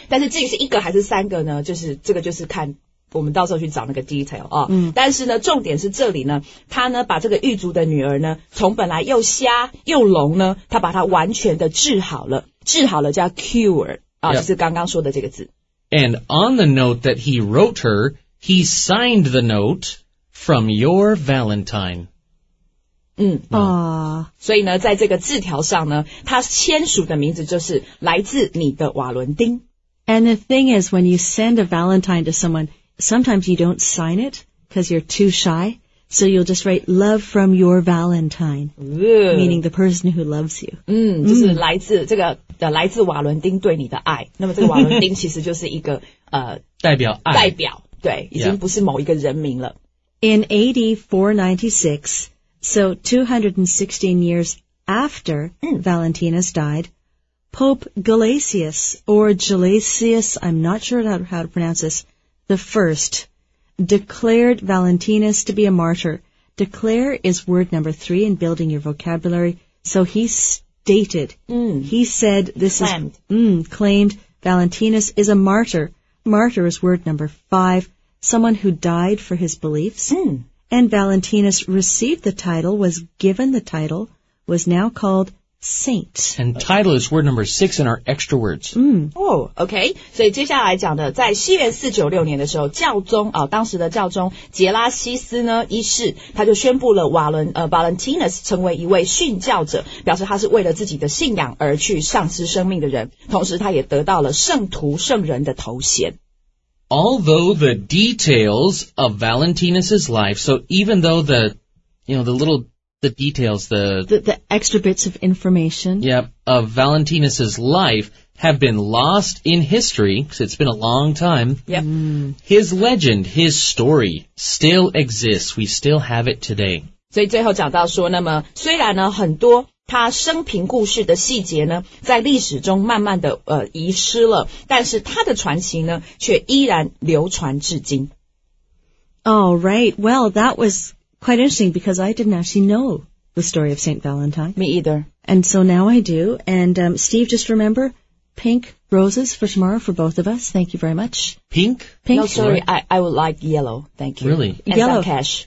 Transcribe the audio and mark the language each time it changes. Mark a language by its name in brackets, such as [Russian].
[Chinese] 但是至于是一个还是三个呢就是这个就是看我们到时候去找那个 detail,、哦嗯、但是呢重点是这里呢他呢把这个狱卒的女儿呢从本来又瞎又聋呢他把她完全的治好了。治好了叫 cure。Yep. 就是刚刚说的这个字。 [English] And on the note that he wrote her, he signed the note from your Valentine. 嗯啊、 [Chinese] 所以呢在这个字条上呢他签署的名字就是来自你的瓦伦丁。 [English] And the thing is, when you send a Valentine to someone, sometimes you don't sign it because you're too shy. So you'll just write love from your Valentine,、meaning the person who loves you. [Chinese] 嗯就是来自这个来自瓦伦丁对你的爱，那么这个瓦伦丁其实就是一个代表爱，代表对，已经不是某一个人名了。 [English] In AD 496, so 216 years after Valentinus died, Pope Gelasius, or Gelasius, I'm not sure how to pronounce this, the first, declared Valentinus to be a martyr. Declare is word number three in building your vocabulary, so he'sdated.、He said this claimed. Claimed Valentinus is a martyr. Martyr is word number five, someone who died for his beliefs.、And Valentinus received the title, was given the title, was now called saint. And title is word number six in our extra words.、 Okay. [Chinese] 所以接下来讲的在西元496年的时候教宗、当时的教宗杰拉西斯呢一世他就宣布了Valentinus 成为一位殉教者表示他是为了自己的信仰而去丧失生命的人同时他也得到了圣徒圣人的头衔。 [English] Although the details of Valentinus's life, so even though the, you know, the little... The details, the extra bits of information. Yep, of Valentinus's life have been lost in history, because it's been a long time. Yep. His legend, his story, still exists. We still have it today. [Chinese] 所以最后讲到说，那么虽然呢，很多他生平故事的细节呢，在历史中慢慢的遗失了，但是他的传奇呢，却依然流传至今。 [English] All right. Well, that was... Quite interesting because I didn't actually know the story of St. Valentine. Me either. And so now I do. And Steve, just remember, pink roses for tomorrow for both of us. Thank you very much. Pink? Pink. No, sorry. I would like yellow. Thank you. Really? And yellow. Some cash.